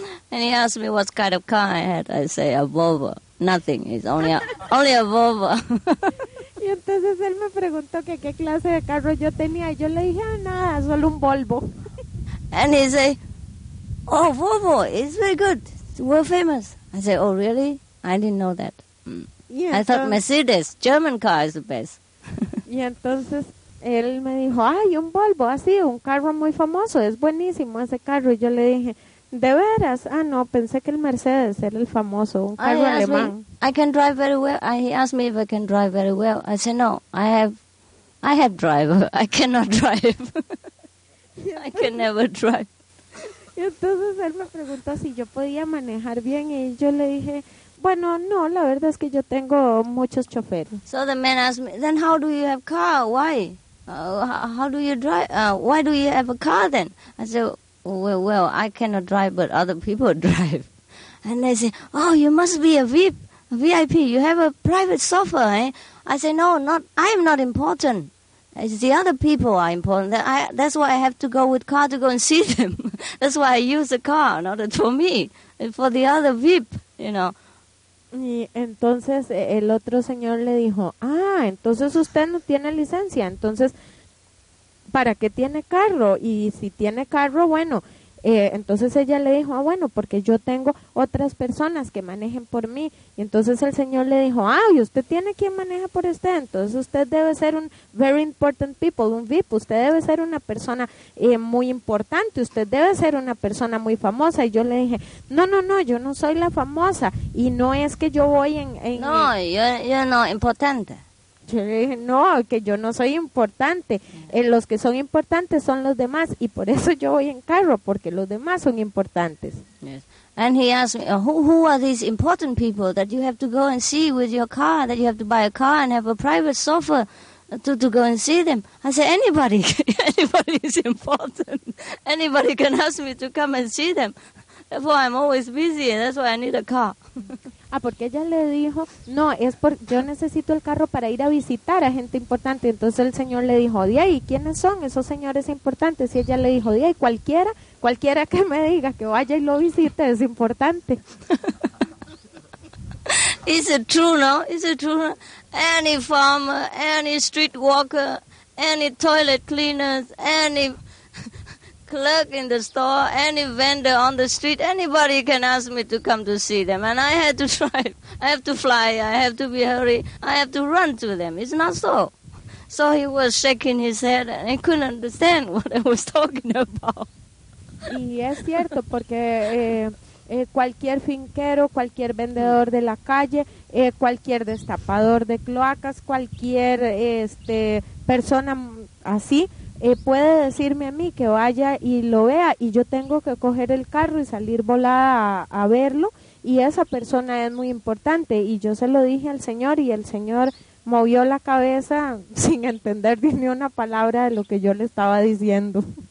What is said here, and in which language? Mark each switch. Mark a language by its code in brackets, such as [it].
[en] And he asked me what kind of car I had. I say a Volvo. Nothing. It's only a Volvo. [es] Y entonces él me preguntó que qué clase de carro yo tenía. Y yo le dije nada, solo un Volvo. [en] And he say, oh, Volvo. It's very good. We're famous. I say, oh, really? I didn't know that. [es] Entonces, [en] I thought Mercedes, German car, is the best. [es] Y entonces él me dijo, ay, un Volvo, así, un carro muy famoso. Es buenísimo ese carro. Y yo le dije, ¿de veras? Ah, no, pensé que el Mercedes era el famoso, un carro alemán. [en] I can drive very well. He asked me if I can drive very well. I said, no, I have driver. I cannot drive. I can never drive. [es] Y entonces él me preguntó si yo podía manejar bien y yo le dije, bueno, no, la verdad es que yo tengo muchos choferes. [en] So the man asked me, then how do you have car? Why? How do you drive? Why do you have a car then? I said, Well, I cannot drive, but other people drive. And they say, oh, you must be a VIP. You have a private sofa, eh? I say, no, not. I am not important. It's the other people are important. That's why I have to go with car to go and see them. That's why I use a car, not for me, for the other VIP, you know. [es] Y entonces el otro señor le dijo, ah, entonces usted no tiene licencia, entonces, ¿para qué tiene carro? Y si tiene carro, bueno, entonces ella le dijo, ah, bueno, porque yo tengo otras personas que manejen por mí. Y entonces el señor le dijo, ah, y usted tiene quien maneja por usted, entonces usted debe ser un [en] very important people, [es] un VIP, usted debe ser una persona muy importante, usted debe ser una persona muy famosa. Y yo le dije, no, yo no soy la famosa, y no es que yo voy en [en] no, you're not important. [es] Yo le dije, no, que yo no soy importante. Los que son importantes son los demás. Y por eso yo voy en carro, porque los demás son importantes. [en] Yes. And he asked me, who are these important people that you have to go and see with your car, that you have to buy a car and have a private sofa to go and see them? I said, anybody is important. Anybody can ask me to come and see them. Therefore, I'm always busy, and that's why I need a car. [es] Ah, porque ella le dijo, no, es por, yo necesito el carro para ir a visitar a gente importante. Entonces el señor le dijo, de ahí, ¿quiénes son esos señores importantes? Y ella le dijo, de ahí, cualquiera, cualquiera que me diga que vaya y lo visite es importante. [en] Is it true, no? Is it true? Any farmer, any street walker, any toilet cleaners, any clerk in the store, any vendor on the street, anybody can ask me to come to see them. And I had to drive. I have to fly. I have to be hurry. I have to run to them. It's not so. So he was shaking his head and he couldn't understand what I was talking about. [es] Y es cierto porque... cualquier finquero, cualquier vendedor de la calle, cualquier destapador de cloacas, cualquier persona así, puede decirme a mí que vaya y lo vea y yo tengo que coger el carro y salir volada a verlo y esa persona es muy importante y yo se lo dije al señor y el señor movió la cabeza sin entender ni una palabra de lo que yo le estaba diciendo.